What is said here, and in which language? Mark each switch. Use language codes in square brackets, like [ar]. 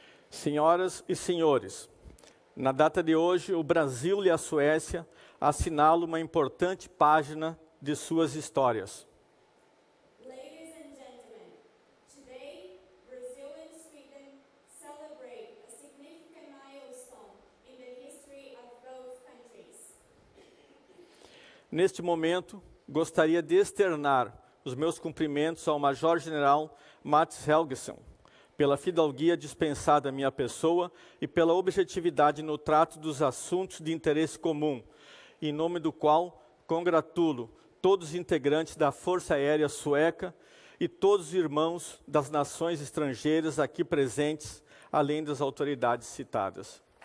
[pt] Senhoras e senhores, na data de hoje, o Brasil e a Suécia assinalam uma importante página de suas histórias. [en] Ladies and gentlemen, today Brazil and Sweden celebrate a significant milestone in the history of both countries. [pt] Neste momento, gostaria de externar os meus cumprimentos ao Major-General Mats Helgeson, pela fidalguia dispensada à minha pessoa e pela objetividade no trato dos assuntos de interesse comum, em nome do qual congratulo todos os integrantes da Força Aérea Sueca e todos os irmãos das nações estrangeiras aqui presentes, além das autoridades citadas.